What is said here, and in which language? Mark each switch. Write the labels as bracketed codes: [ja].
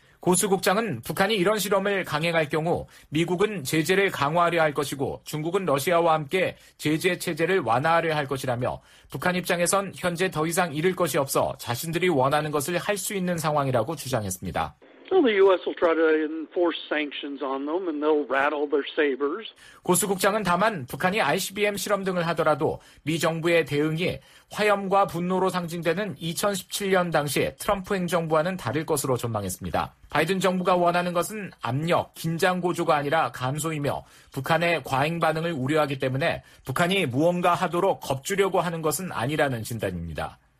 [ko] 고수 국장은 북한이 이런 실험을 강행할 경우 미국은 제재를 강화하려 할 것이고 중국은 러시아와 함께 제재 체제를 완화하려 할 것이라며 북한 입장에선 현재 더 이상 잃을 것이 없어 자신들이 원하는 것을 할 수 있는 상황이라고 주장했습니다. [en] Well, the U.S. will try to enforce sanctions on them, and they'll rattle their sabers. [ko] 고수 국장은 다만 북한이 ICBM 실험 등을 하더라도 미 정부의 대응이 화염과 분노로 상징되는 2017년 당시 트럼프 행정부와는 다를 것으로 전망했습니다. 바이든 정부가 원하는 것은 압력, 긴장 고조가 아니라 감소이며 북한의 과잉 반응을 우려하기 때문에 북한이 무언가 하도록 겁주려고 하는 것은 아니라는 진단입니다.